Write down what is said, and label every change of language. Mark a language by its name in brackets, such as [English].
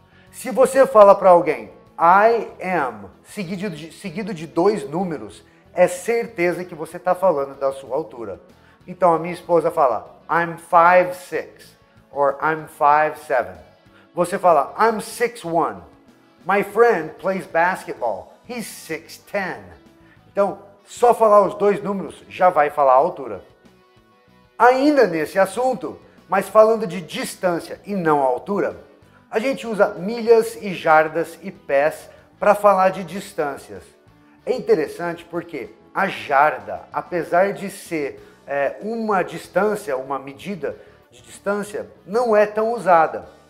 [Portuguese] Se você fala para alguém [English] I am, [Portuguese] seguido de dois números, é certeza que você está falando da sua altura. Então a minha esposa fala [English] I'm 5'6 or I'm 5'7. [Portuguese] Você fala [English] I'm 6'1. My friend plays basketball. He's 6'10. [Portuguese] Então, só falar os dois números já vai falar a altura. Ainda nesse assunto, mas falando de distância e não a altura, a gente usa milhas e jardas e pés para falar de distâncias. É interessante porque a jarda, apesar de ser uma distância, uma medida de distância, não é tão usada.